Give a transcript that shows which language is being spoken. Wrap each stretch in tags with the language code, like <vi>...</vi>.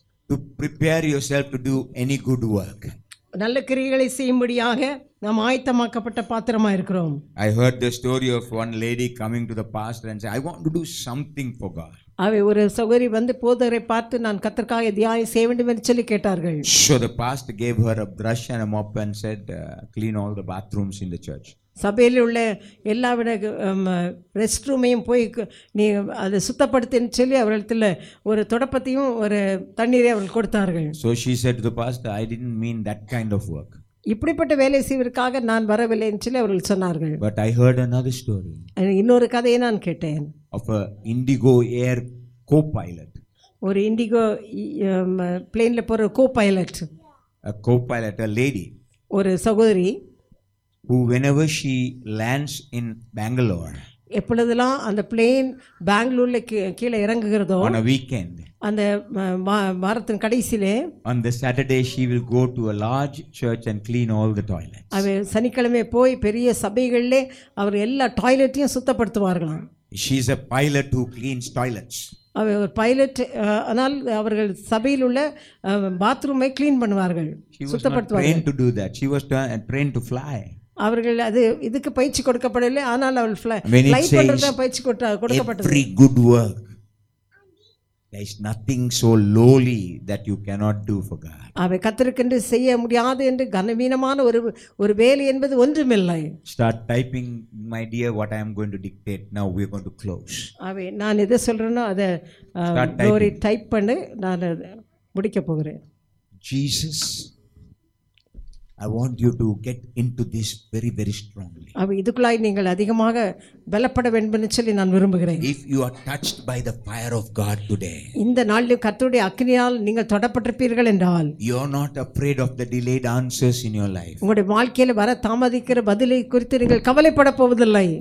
<en>To prepare yourself to do any good work.</en> <ta>நல்ல கிரியைகளை செய்யும்படியாக நாம் ஆயத்தமாக்கப்பட்ட பாத்திரமா இருக்கிறோம்.</ta> <en>I heard the story of one lady coming to the pastor and say, I want to do something for God.</en> <ta>அவை ஒரு சகோதரி வந்து போதரை பார்த்து நான் கர்த்தருக்காக தியாகம் செய்ய வேண்டும் என்று சொல்லி கேட்டார்கள்.</ta> <en>So the pastor gave her a brush and a mop and said, clean all the bathrooms in the church.</en> <ta>சபையில் உள்ள எல்லா ரெஸ்ட் ரூமையும் போய் நீ அதை சுத்தப்படுத்தின்னு சொல்லி அவர்களுக்கு ஒரு தொடப்பத்தையும் ஒரு தண்ணீரையும் அவர்கள் கொடுத்தார்கள்.</ta> <en>So she said to the pastor, I didn't mean that kind of work.</en> <ta>இப்படிப்பட்ட வேலை செய்வதற்காக நான் வரவில்லைன்னு சொல்லி அவர்கள் சொன்னார்கள்.</ta> <en>But I heard another story.</en> <ta>இன்னொரு கதையை நான் கேட்டேன்.</ta> <en>Of a Indigo Air co-pilot.</en> <ta>ஒரு இண்டிகோ பிளேன்ல போற co-pilot.</ta> <en>A co-pilot, a lady.</en> <ta>ஒரு சகோதரி.</ta> <en>Who whenever she lands in Bangalore,</en> <ta>எப்பொழுதெல்லாம் அந்த பிளேன் பெங்களூர்ல கீழே இறங்குகிறதோ</ta> <en>on a weekend</en> <ta>அந்த வாரத்தின் கடைசியிலே</ta> <en>on the Saturday she will go to a large church and clean all the toilets</en> <ta>அவர் சனிக்கிழமை போய் பெரிய சபைகளிலே அவர் எல்லா டாய்லெட்டையும் சுத்தப்படுத்துவார்களாம்</ta> <en>she is a pilot who cleans toilets</en> <ta>அவர் ஒரு பைலட் ஆனால் அவர்கள் சபையில் உள்ள பாத்ரூமை கிளீன் பண்ணுவார்கள் சுத்தப்படுத்துவார்கள்</ta> <en>train to to that she was train to fly</en> <ta>அவர்கள் அது இதுக்கு பயிற்சி கொடுக்கப்படவில்லை ஆனால் அவள் ஃப்ளைட் பண்றதா பயிற்சி கொடுக்கப்பட்டது</ta> <en>Every good work There is nothing so lowly that you cannot do for God.</en> <ta>அவ கத்திருக்கின்ற செய்ய முடியாது என்று கனவீனமான ஒரு ஒரு வேலை என்பது ஒன்றுமில்லை.</ta> <en>Start typing my dear what I am going to dictate. Now we are going to close.</en> <ta>அவ நான் எதை சொல்றேனோ அத glory type பண்ணு நான் முடிக்க போகிறேன்.</ta> <en>Jesus I want you to get into this very very strongly.</en> <ta>அவ இதுக்குளை நீங்கள் அதிகமாக பலப்பட வேண்டும்னு சொல்லி நான் விரும்புகிறேன்.</ta> <en>If you are touched by the fire of God today.</en> <ta>இந்த நாளில் கர்த்தருடைய அக்கினியால் நீங்கள் தொடப்பட்டிருப்பீர்கள் என்றால்</ta> <en>you are not afraid of the delayed answers in your life.</en> <ta>உங்களுடைய வாழ்க்கையில் வர தாமதிக்கிற பதிலை குறித்து நீங்கள் கவலைப்பட போவதில்லை.</ta>